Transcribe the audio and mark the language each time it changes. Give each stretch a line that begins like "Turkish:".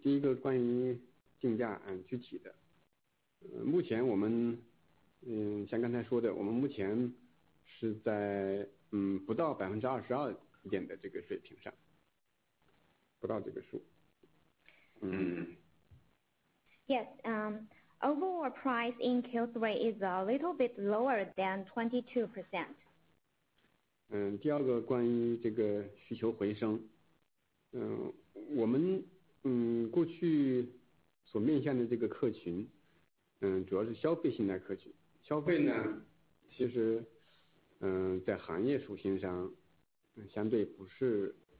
Chinese: 第一个关于竞价啊，具体的，目前我们，像刚才说的，我们目前是在不到22%一点的这个水平上，不到这个数。
English: Yes. Overall price in Q3 is a little bit lower than 22%.
Chinese: 第二个关于这个需求回升，我们过去所面向的这个客群，主要是消费性的客群，消费呢其实在行业属性上相对不是